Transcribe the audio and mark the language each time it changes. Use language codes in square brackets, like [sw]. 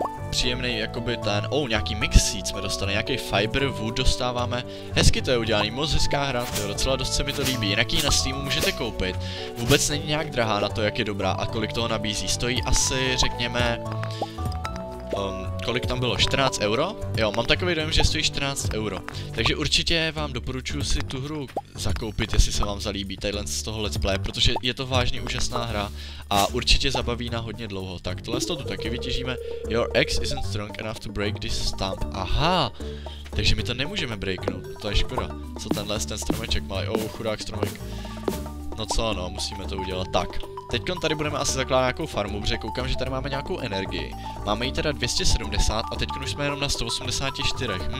[cs] příjemný jakoby ten, nějaký mix seed jsme dostali, nějaký fiber wood dostáváme, hezky to je udělaný, moc hezká hra, to je docela dost se mi to líbí, jinak ji na Steamu můžete koupit, vůbec není nějak drahá na to, jak je dobrá a kolik toho nabízí, stojí asi, řekněme, kolik tam bylo, 14 euro? Jo, mám takový dojem, že stojí 14 euro, takže určitě vám doporučuji si tu hru zakoupit, jestli se vám zalíbí, tadyhle z toho let's play, protože je to vážně úžasná hra a určitě zabaví na hodně dlouho, tak tohle z toho tu taky vytěžíme. [en] Your axe isn't strong enough to break this stump. [cs] Aha, takže my to nemůžeme breaknout, to je škoda, co tenhle ten stromeček malý, chudák stromek, no co no, musíme to udělat, tak. Teďkon tady budeme asi zakládat nějakou farmu, protože koukám, že tady máme nějakou energii. Máme ji teda 270 a teďkon už jsme jenom na 184.